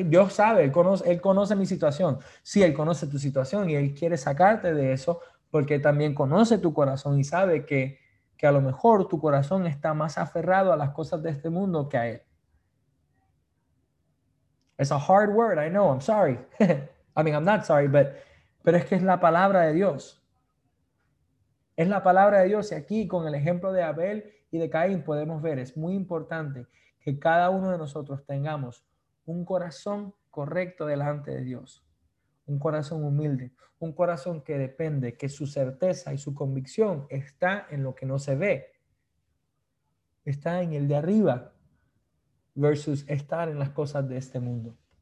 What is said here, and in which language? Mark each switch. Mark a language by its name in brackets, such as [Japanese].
[Spanish] Dios sabe, él conoce mi situación. Sí, él conoce tu situación y él quiere sacarte de eso porque también conoce tu corazón y sabe que a lo mejor tu corazón está más aferrado a las cosas de este mundo que a él. [English] It's a hard word, I know, I'm sorry. I mean, I'm not sorry, [Spanish] pero es que es la palabra de Dios. Es la palabra de Dios y aquí con el ejemplo de Abel y de Caín podemos ver, es muy importante que cada uno de nosotros tengamos un corazón correcto delante de Dios, un corazón humilde, un corazón que depende, que su certeza y su convicción está en lo que no se ve, está en el de arriba versus estar en las cosas de este mundo.